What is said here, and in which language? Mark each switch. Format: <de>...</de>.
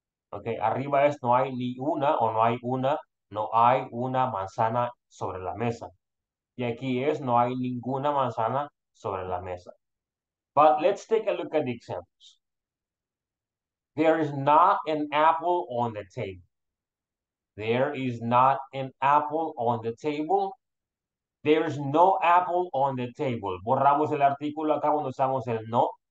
<es>Okay, arriba es no hay ni una o no hay una, no hay una manzana sobre la mesa. Y aquí es no hay ninguna manzana sobre la mesa.</es> <en>But let's take a look at the examples. There is not an apple on the table. There is not an apple on the table. There is no apple on the table.</en> <es>Borramos el artículo acá cuando usamos el no.</es>